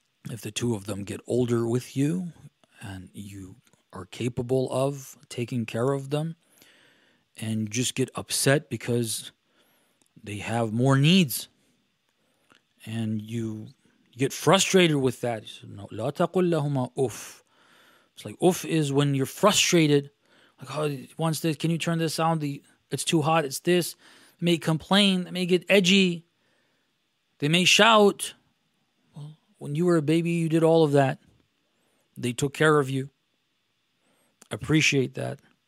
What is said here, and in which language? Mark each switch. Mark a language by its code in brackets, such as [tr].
[en] If the two of them get older with you and you are capable of taking care of them, and just get upset because they have more needs, and you You get frustrated with that. Said, no, [ar] لَا تَقُلْ لَهُمَا أُفْ. [en] It's like, أُفْ is when you're frustrated. Like, oh, he wants this. Can you turn this down? It's too hot. It's this. They may complain. They may get edgy. They may shout. Well, when you were a baby, you did all of that. They took care of you. Appreciate that.